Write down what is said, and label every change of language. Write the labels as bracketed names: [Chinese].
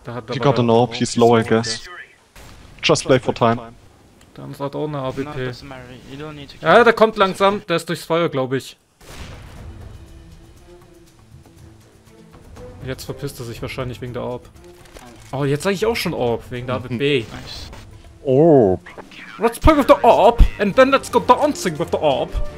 [English] er. He got an AWP, he's low, I guess. Just play for time. [German] Der andere hat auch eine AWP. Ja, der kommt langsam, der ist durchs Feuer, glaube ich. Jetzt verpisst er sich wahrscheinlich wegen der AWP. Oh, jetzt sage ich auch schon AWP, wegen der AWP. AWP. [English] Let's play with the AWP and then let's go dancing with the AWP.